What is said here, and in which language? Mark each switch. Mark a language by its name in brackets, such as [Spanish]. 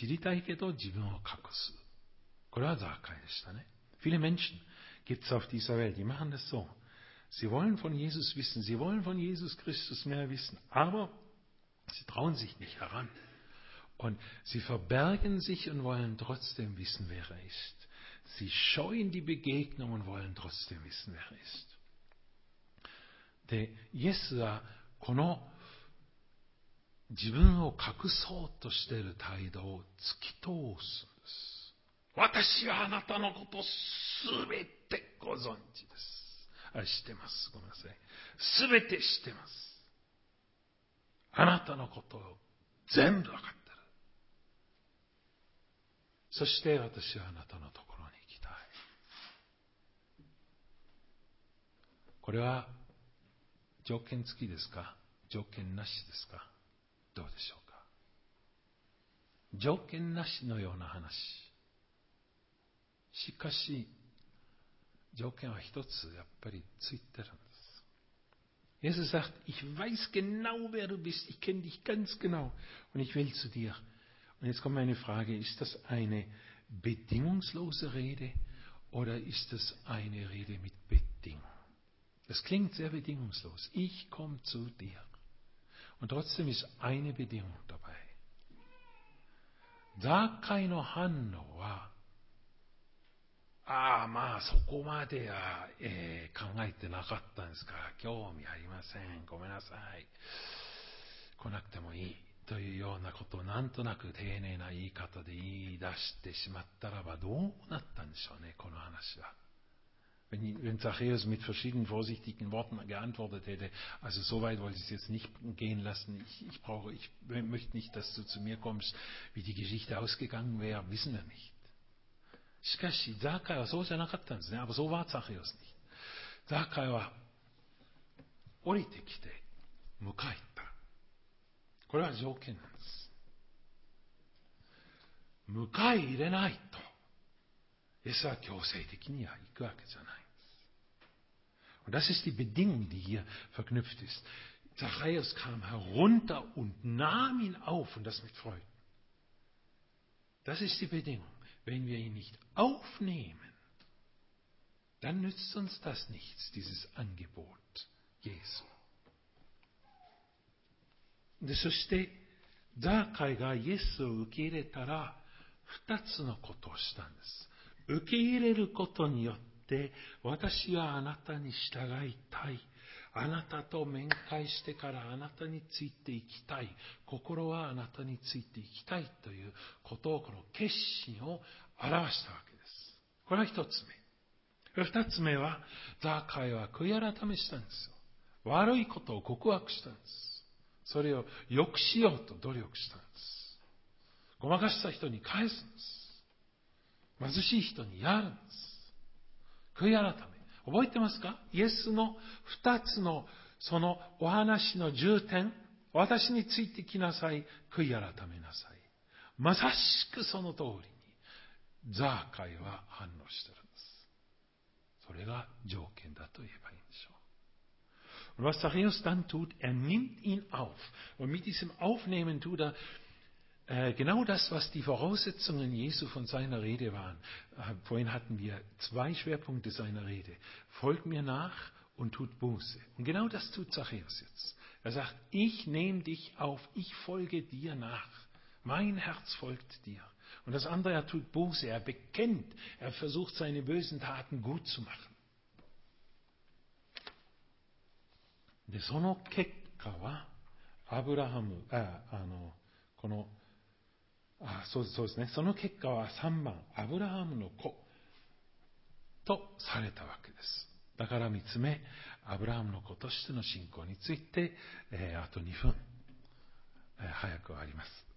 [Japanese] 知りたいけど自分を隠す。これはザーカイでしたね。 [German] Viele Menschen gibt's auf dieser Welt, die machen das so. Sie wollen von Jesus wissen, sie wollen von Jesus Christus mehr wissen, aber... Sie trauen sich nicht heran. Und sie verbergen sich und wollen trotzdem wissen, wer er ist. Sie scheuen die Begegnung und wollen trotzdem wissen, wer er ist. [Japanese] で、イエスはこの自分を隠そうとしている態度を突き通すんです。私はあなたのことすべてご存知です。あ、知ってます。ごめんなさい。すべて知ってます。あなたのことを全部わかってる。そして私はあなたのところに行きたい。これは条件付きですか？条件なしですか？どうでしょうか？条件なしのような話。しかし条件は一つやっぱりついてるんです。 [German] Jesus sagt, ich weiß genau, wer du bist. Ich kenne dich ganz genau. Und ich will zu dir. Und jetzt kommt meine Frage, ist das eine bedingungslose Rede oder ist das eine Rede mit Bedingung? Das klingt sehr bedingungslos. Ich komme zu dir. Und trotzdem ist eine Bedingung dabei. Da keine Hand war. [Japanese] ああ、まあ、そこまでは、考えてなかったんですから、興味ありません。ごめんなさい。来なくてもいい。というようなことを、なんとなく丁寧な言い方で言い出してしまったらば、どうなったんでしょうね、この話は。 [German] Wenn Zachäus mit verschiedenen vorsichtigen Worten geantwortet hätte, also so weit wollte ich es jetzt nicht gehen lassen, ich möchte nicht, dass du zu mir kommst, wie die Geschichte ausgegangen wäre, wissen wir nicht. [Japanese] しかし、ザカイはそうじゃなかったんですね。あ、そうはザカイですね。ザカイは降りてきて迎えた。これは条件なんです。迎え入れないと、イエスは強制的には行くわけじゃないんです。 [German] Und das ist die Bedingung, die hier verknüpft ist. Zachäus kam herunter und nahm ihn auf und das mit Freude. Das ist die Bedingung. Wenn wir ihn nicht aufnehmen, dann nützt uns das nichts, dieses Angebot Jesu. [Japanese] で、そして、ザーカイがイエスを受け入れたら、二つのことをしたんです。受け入れることによって、私はあなたに従いたい。あなたと面会してからあなたについていきたい。心はあなたについていきたいということを、この決心を表したわけです。これは一つ目。二つ目は、ザーカイは悔い改めしたんですよ。悪いことを告白したんです。それを良くしようと努力したんです。ごまかした人に返すんです。貧しい人にやるんです。悔い改め。覚えてますか？イエスの二つのそのお話の重点、私についてきなさい、悔い改めなさい。まさしくその通りに、ザーカイは反応してるんです。それが条件だと言えばいいんでしょう。 [German] Und was Zachäus dann tut, er nimmt ihn auf. Und mit diesem Aufnehmen tut er, genau das, was die Voraussetzungen Jesu von seiner Rede waren. Vorhin hatten wir zwei Schwerpunkte seiner Rede. Folgt mir nach und tut Buße. Und genau das tut Zachäus jetzt. Er sagt, ich nehme dich auf, ich folge dir nach. Mein Herz folgt dir. Und das andere, er tut Buße, er bekennt, er versucht seine bösen Taten gut zu machen. [Japanese] で、その結果は、アブラハム、この、ああ、そうですね。その結果は3番、アブラハムの子とされたわけです。だから3つ目、アブラハムの子としての信仰について、あと2分、早く終わります。